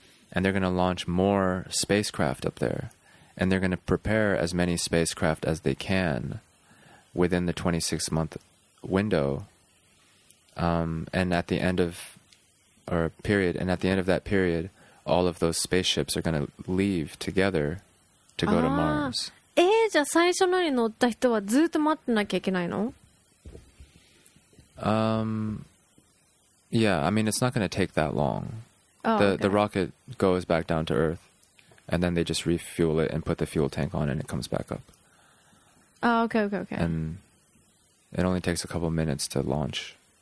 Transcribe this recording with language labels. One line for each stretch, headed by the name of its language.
English: And they're going to launch more spacecraft up there. And they're going to prepare as many spacecraft as they can within the 26-month window. And at the end of... or period, and at the end of that period, all of those spaceships are going to leave together to go to Mars.
Japanese: じゃあ最初のに乗った人はずっと待ってなきゃいけないの？
English: Yeah, I mean, it's not going to take that long. The rocket goes back down to Earth, and then they just refuel it and put the fuel tank on, and it comes back up. Okay. And it only takes a couple minutes to launch.